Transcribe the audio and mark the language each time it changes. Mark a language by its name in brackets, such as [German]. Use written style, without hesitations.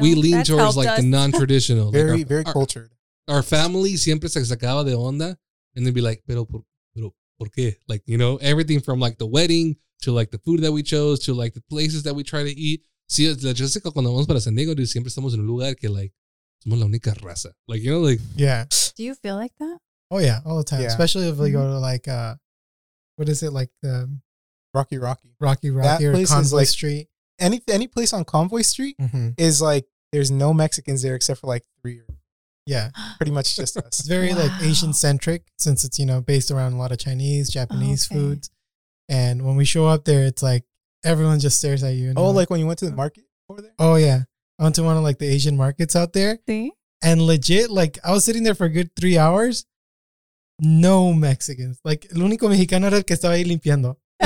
[English] We lean that's towards like us. The non-traditional. Very, like very cultured. Our family [Spanish] siempre se sacaba de onda [English] and they'd be like, [Spanish] pero por qué? [English] Like, you know, everything from like the wedding to like the food that we chose to like the places that we try to eat. [Spanish] Si, la Jessica, cuando vamos para San Diego, dude, siempre estamos en un lugar que like, somos la única raza. [English] Like, you know, like. Yeah. Do you feel like that? Oh, yeah, all the time. Yeah. Especially if we go to like, what is it? Like the Rocky, or Convoy like, Street. Any place on Convoy Street is like there's no Mexicans there except for like three. Yeah, pretty much just us. It's very like Asian centric since it's, you know, based around a lot of Chinese, Japanese foods. And when we show up there, it's like everyone just stares at you. And like when you went to the market over there? Oh, yeah. I went to one of like the Asian markets out there. And legit, like I was sitting there for a good 3 hours. No Mexicans. [Spanish] Like, el único mexicano era el que estaba ahí limpiando.